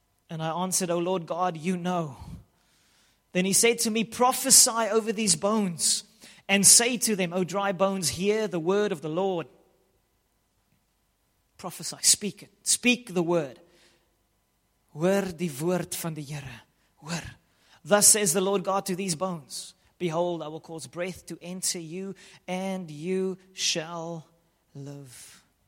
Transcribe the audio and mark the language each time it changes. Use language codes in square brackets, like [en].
[en] And I answered, O Lord God, you know. Then he said to me, prophesy over these bones, and say to them, O dry bones, hear the word of the Lord. Prophesy, speak it, speak the word. [af] Hoor die woord van die Here. Hoor. [en] Thus says the Lord God to these bones. Behold, I will cause breath to enter you and you shall live.